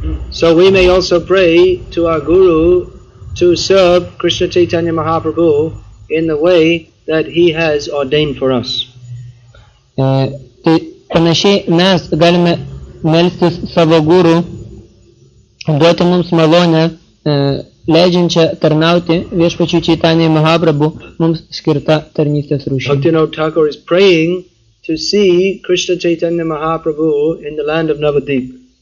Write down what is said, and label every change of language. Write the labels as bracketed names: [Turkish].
[English] So we may also pray to our guru to serve Krishna Chaitanya Mahaprabhu in the way that he has ordained for us. [Lithuanian] Tai panašiai mes galime melstis savo guru duoti mums malonę, leidžiančią tarnauti viešpačiui Čaitanijai Mahaprabhu mums skirta tarnystės rūšį. [English] Bhaktivinoda Thakur is praying to see Krishna Chaitanya Mahaprabhu in the land of Navadvip.